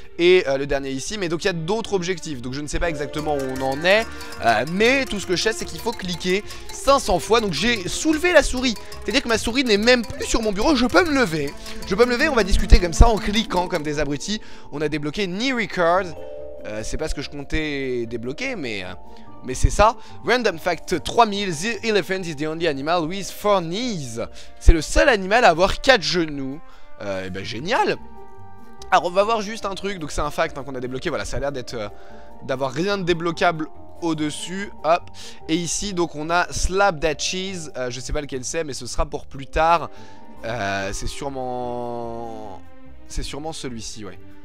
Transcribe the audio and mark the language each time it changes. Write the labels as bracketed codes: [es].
[fr] Et le dernier ici. Mais donc il y a d'autres objectifs. Donc je ne sais pas exactement où on en est mais tout ce que je sais c'est qu'il faut cliquer 500 fois. Donc j'ai soulevé la souris. C'est-à-dire que ma souris n'est même plus sur mon bureau. Je peux me lever, on va discuter comme ça en cliquant comme des abrutis. On a débloqué Knee Record. C'est pas ce que je comptais débloquer mais c'est ça. [en] Random fact 3000, the elephant is the only animal with 4 knees. [fr] C'est le seul animal à avoir 4 genoux. Et ben génial. Alors on va voir juste un truc. Donc c'est un fact hein, qu'on a débloqué. Voilà, ça a l'air d'être d'avoir rien de débloquable au-dessus. Hop. Et ici donc on a slap that cheese. Je sais pas lequel c'est mais ce sera pour plus tard. C'est sûrement celui-ci ouais.